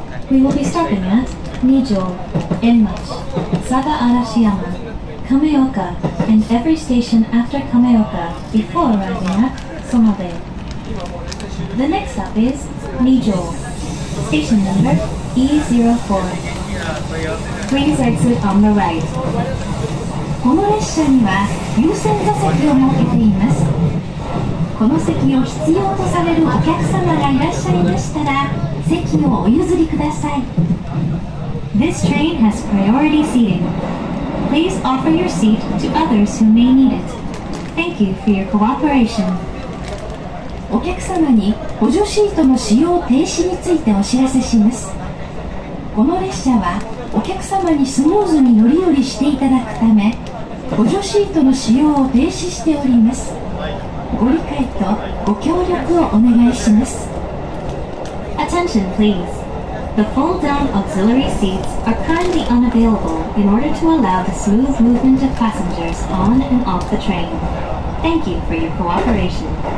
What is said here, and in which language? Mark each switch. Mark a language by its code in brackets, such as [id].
[en] We will be stopping at 二条, 円町, 佐賀嵐山, 亀岡 and every station after 亀岡 before arriving at Sonobu. The next stop is 二条, station number E04. Please exit on the right. [ja] この列車には優先座席を設けています。この席を必要とされるお客様がいらっしゃいましたら席をお譲りください。 [en] This train has priority seating. Please offer your seat to others who may need it. Thank you for your cooperation. [ja] お客様に補助シートの使用停止についてお知らせします。この列車はお客様にスムーズに乗り降りしていただくため補助シートの使用を停止しております。ご理解とご協力をお願いします。 [en] Attention please. The fold down auxiliary seats are currently unavailable in order to allow the smooth movement of passengers on and off the train. Thank you for your cooperation.